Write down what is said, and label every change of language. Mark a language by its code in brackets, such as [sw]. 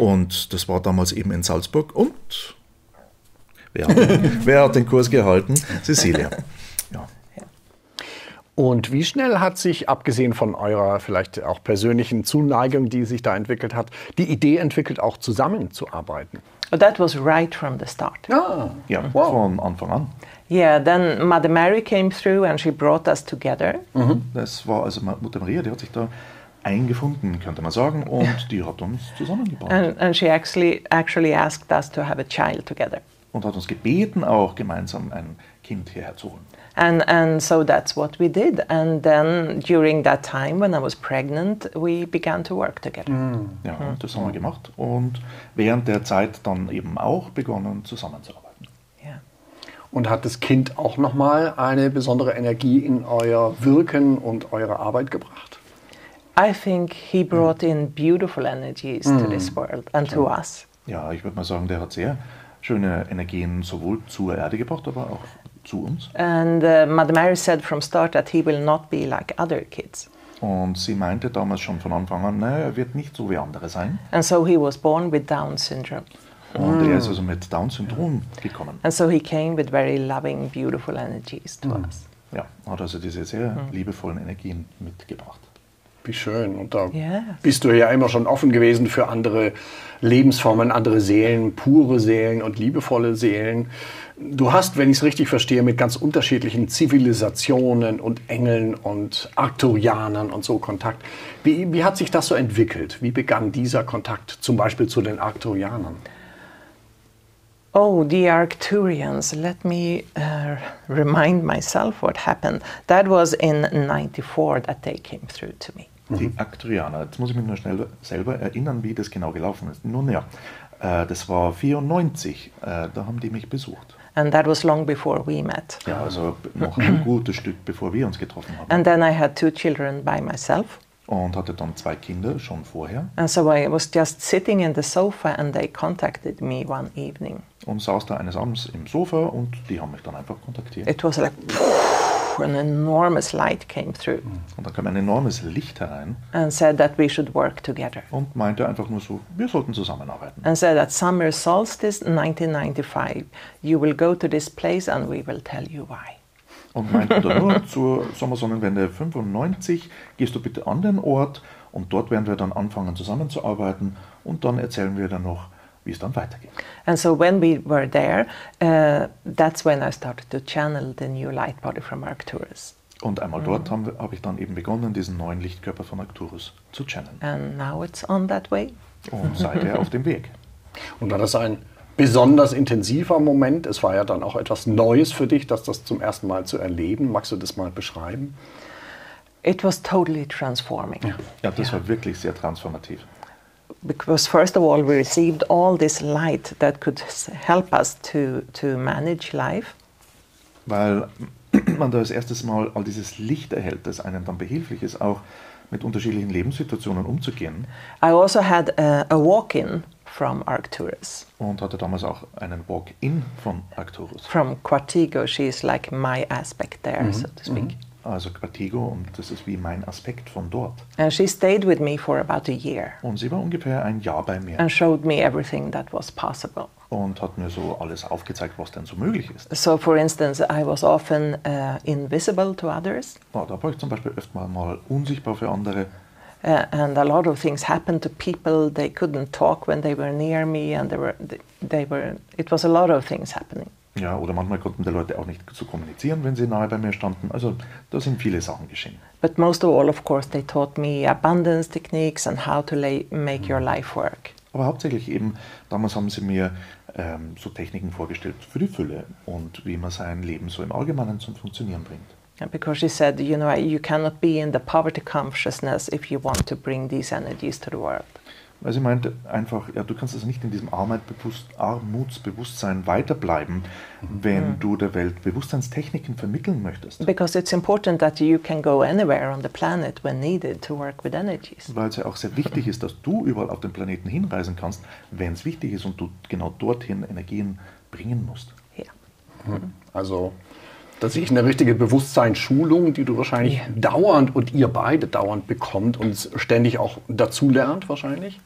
[de] Und das war damals eben in Salzburg. Und wer hat den Kurs gehalten? Cecilia. Ja. Und wie schnell hat sich, abgesehen von eurer vielleicht auch persönlichen Zuneigung, die sich da entwickelt hat, die Idee entwickelt, auch zusammenzuarbeiten? [en] Oh, that was right from the start. [de] Ah, ja, wow. Von Anfang an. [en] Yeah, then Mother Mary came through and she brought us together. Mhm. [de] Das war also Mutter Maria, die hat sich da eingefunden, könnte man sagen, und die hat uns zusammengebracht. [en] And she actually asked us to have a child together. [de] Und hat uns gebeten, auch gemeinsam ein Kind hierher zu holen. [en] And so that's what we did. And then during that time, when I was pregnant, we began to work together. Mm. [de] Ja, das haben wir gemacht und während der Zeit dann eben auch begonnen, zusammenzuarbeiten. Und hat das Kind auch nochmal eine besondere Energie in euer Wirken und eure Arbeit gebracht? [en] I think he brought in beautiful energies to this world and to us. [de] Ja, ich würde mal sagen, der hat sehr schöne Energien sowohl zur Erde gebracht, aber auch zu uns. [en] And Mother Mary said from start that he will not be like other kids. [de] Und sie meinte damals schon von Anfang an, er wird nicht so wie andere sein. [en] And so he was born with Down syndrome. [de] Und er ist also mit Down-Syndrom gekommen. [en] And so he came with very loving, beautiful energies to us. [de] Ja, hat also diese sehr liebevollen Energien mitgebracht. Wie schön. Und da bist du ja immer schon offen gewesen für andere Lebensformen, andere Seelen, pure Seelen und liebevolle Seelen. Du hast, wenn ich es richtig verstehe, mit ganz unterschiedlichen Zivilisationen und Engeln und Arcturianern und so Kontakt. Wie hat sich das so entwickelt? Wie begann dieser Kontakt zum Beispiel zu den Arcturianern? [en] Oh, the Arcturians. Let me remind myself what happened. That was in 94 that they came through to me. [de] Die Arcturianer. Jetzt muss ich mich nur schnell selber erinnern, wie das genau gelaufen ist. Nun ja, das war 94. Da haben die mich besucht. [en] And that was long before we met. [de] Ja, also noch ein gutes Stück, bevor wir uns getroffen haben. [en] And then I had two children by myself. [de] Und hatte dann zwei Kinder schon vorher. [en] And so I was just sitting in the sofa and they contacted me one evening. [de] Und saß da eines Abends im Sofa und die haben mich dann einfach kontaktiert. [en] It was like pff, an enormous light came through. [de] Und dann kam ein enormes Licht herein. [en] And said that we should work together. [de] Und meinte einfach nur so, wir sollten zusammenarbeiten. [en] And said at summer solstice 1995, you will go to this place and we will tell you why. [de] Und meinte nur, zur Sommersonnenwende 95 gehst du bitte an den Ort und dort werden wir dann anfangen zusammenzuarbeiten und dann erzählen wir dann noch, wie es dann weitergeht. [en] And so when we were there, that's when I started to channel the new light body from Arcturus. [de] Und einmal dort hab ich dann eben begonnen, diesen neuen Lichtkörper von Arcturus zu channeln. [en] And now it's on that way. [de] Und seither auf dem Weg. Und war das ein besonders intensiver Moment? Es war ja dann auch etwas Neues für dich, das zum ersten Mal zu erleben. Magst du das mal beschreiben? [en] It was totally transforming. [de] Ja, das war wirklich sehr transformativ. [en] Because first of all, we received all this light that could help us to manage life. [de] Weil man da das erste Mal all dieses Licht erhält, das einem dann behilflich ist, auch mit unterschiedlichen Lebenssituationen umzugehen. [en] I also had a walk-in from Arcturus. [de] Und hatte damals auch einen Walk-in von Arcturus. [en] From Quartigo, she is like my aspect there, so to speak. [de] Also Quartigo, und das ist wie mein Aspekt von dort. [en] And she stayed with me for about a year. [de] Und sie war ungefähr ein Jahr bei mir. [en] And showed me everything that was possible. [de] Und hat mir so alles aufgezeigt, was denn so möglich ist. [en] So for instance, I was often invisible to others. [de] Ja, da war ich zum Beispiel öfter mal unsichtbar für andere. [en] And a lot of things happened to people. They couldn't talk when they were near me, and it was a lot of things happening. [de] Ja, oder manchmal konnten die Leute auch nicht so kommunizieren, wenn sie nahe bei mir standen. Also da sind viele Sachen geschehen. [en] But most of all, of course, they taught me abundance techniques and how to make your life work. [de] Aber hauptsächlich eben, damals haben sie mir so Techniken vorgestellt für die Fülle und wie man sein Leben so im Allgemeinen zum Funktionieren bringt. [en] Because she said, you know, you cannot be in the poverty consciousness if you want to bring these energies to the world. [de] Weil sie meinte einfach, ja, du kannst also nicht in diesem Armutsbewusstsein weiterbleiben, wenn du der Welt Bewusstseinstechniken vermitteln möchtest. [en] Because it's important that you can go anywhere on the planet when needed to work with energies. [de] Weil es ja auch sehr wichtig ist, dass du überall auf dem Planeten hinreisen kannst, wenn es wichtig ist und du genau dorthin Energien bringen musst. Ja. Yeah. Also, das ist eine richtige Bewusstseinsschulung, die du wahrscheinlich dauernd und ihr beide dauernd bekommt und ständig auch dazulernt wahrscheinlich.